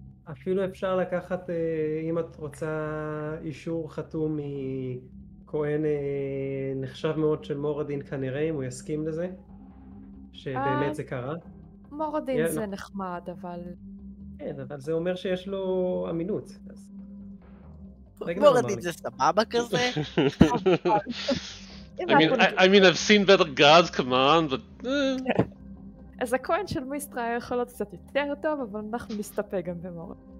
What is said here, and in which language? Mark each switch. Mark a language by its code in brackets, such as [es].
[he] אפילו אפשר לקחת, אם את רוצה, אישור חתום מכהן נחשב מאוד של מורדין כנראה, אם הוא יסכים לזה, שבאמת זה קרה. מורדין זה נחמד, אבל... כן, אבל זה אומר שיש לו אמינות. מורדין זה סבבה כזה? [en] I mean, I've seen better gods, come on, but... [he] אז הכהן של מיסטרה יכול להיות קצת יותר טוב, אבל אנחנו נסתפק גם במורד.